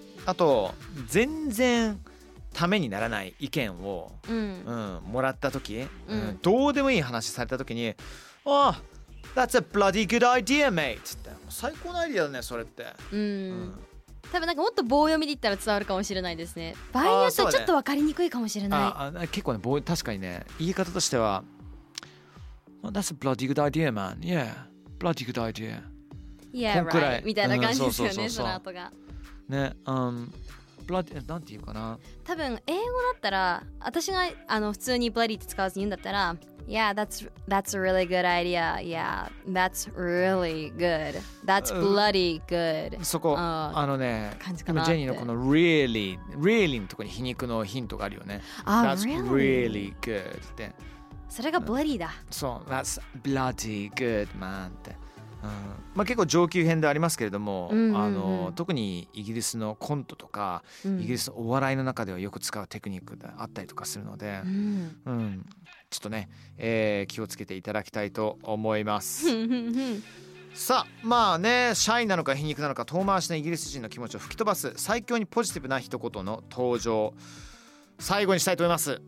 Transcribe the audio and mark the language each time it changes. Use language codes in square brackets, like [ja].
[ja] あと全然ためにならない意見を、うんうん、もらった時、うんうん、どうでもいい話された時に、あ、 [en] oh, That's a bloody good idea mate [ja] って最高のアイディアだねそれって、うん、うん、多分なんかもっと棒読みで言ったら伝わるかもしれないですね、場合によってはちょっと分かりにくいかもしれない、あ、ね、あ、結構ね、確かにね、言い方としては [en] well, That's a bloody good idea man Yeah, bloody good idea Yeah, right [ja] みたいな感じですよね、うん、そう、その後がね、bloody, なんて言うかな、多分英語だったら私があの普通に bloody って使わずに言うんだったら [en] Yeah, that's a really good idea Yeah, that's really good That's bloody good、 [ja] うん、そこ、あのね感じかな、ジェニーのこの really really のところに皮肉のヒントがあるよね、あ、 [en] That's really good って [ja] それが bloody だ、うん、そう、 [en] That's bloody good man [ja] ってうん、まあ、結構上級編でありますけれども、うんうんうん、あの特にイギリスのコントとか、うん、イギリスのお笑いの中ではよく使うテクニックであったりとかするので、うんうん、ちょっとね、気をつけていただきたいと思いますさあ、まあね、シャイなのか皮肉なのか遠回しのイギリス人の気持ちを吹き飛ばす最強にポジティブな一言の登場、最後にしたいと思います。